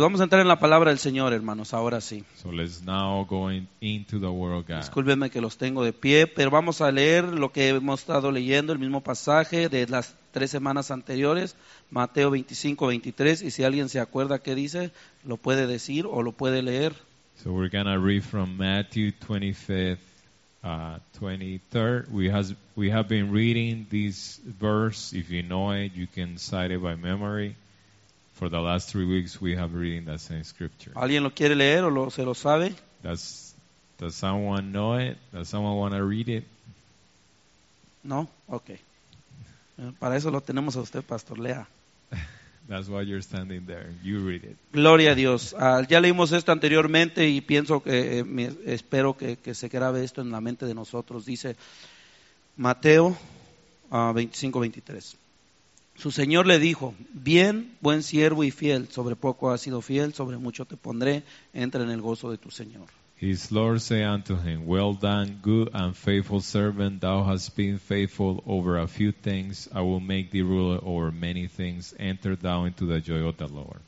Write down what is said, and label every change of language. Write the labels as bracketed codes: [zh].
[es] Vamos a entrar en la palabra del Señor, hermanos, ahora sí. [en] So let's now go into the word of God. [es] Discúlpenme que los tengo de pie, pero vamos a leer lo que hemos estado leyendo, el mismo pasaje de las tres semanas anteriores, Mateo 25, 23, y si alguien se acuerda qué dice, lo puede decir o lo puede leer. [en] So we're going to read from Matthew 23rd. We have been reading this verse. If you know it, you can cite it by memory. For the last 3 weeks, we have been reading that same scripture. [es] ¿Alguien lo quiere leer o lo, se lo sabe? [en] Does someone know it? Does someone want to read it? No? Okay. [es] Para eso lo tenemos a usted, Pastor Lea. [en] That's why you're standing there. You read it. [es] Gloria a Dios. Ya leímos esto anteriormente y pienso que, espero que se grabe esto en la mente de nosotros. Dice Mateo 25:23. Su Señor le dijo, bien, buen siervo y fiel, sobre poco has sido fiel, sobre mucho te pondré, entra en el gozo de tu Señor. [en] His Lord said unto him, well done, good and faithful servant, thou hast been faithful over a few things, I will make thee ruler over many things, enter thou into the joy of the Lord.